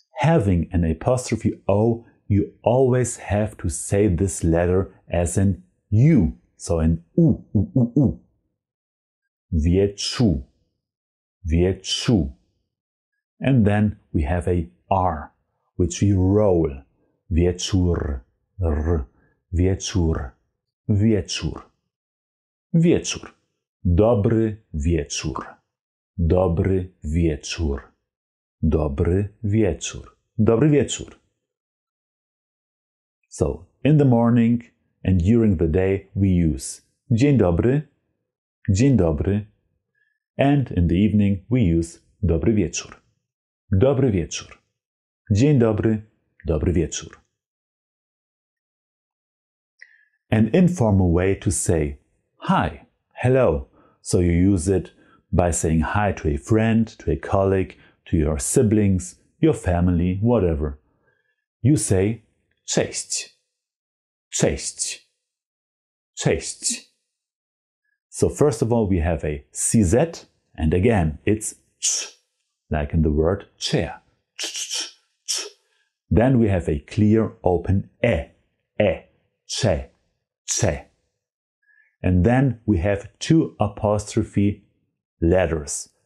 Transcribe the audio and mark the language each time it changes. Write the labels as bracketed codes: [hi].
[en] Having an apostrophe O, you always have to say this letter as an U. So an U, U, U, U. Wieczu, wieczu. And then we have a R, which we roll. [pl] Wieczur, r, wieczur, wieczur, wieczur. Dobry wieczur. Dobry wieczór. Dobry wieczór. Dobry wieczór. [en] So, in the morning and during the day we use [pl] dzień dobry. Dzień dobry. [en] And in the evening we use [pl] dobry wieczór. Dobry wieczór. Dzień dobry. Dobry wieczór. [en] An informal way to say hi, hello. So you use it by saying hi to a friend, to a colleague, to your siblings, your family, whatever. You say cześć, cześć, cześć. So first of all, we have a CZ, and again, it's ch, like in the word chair, ch, ch, ch, ch. Then we have a clear open e, e, che, che. And then we have two apostrophe letters.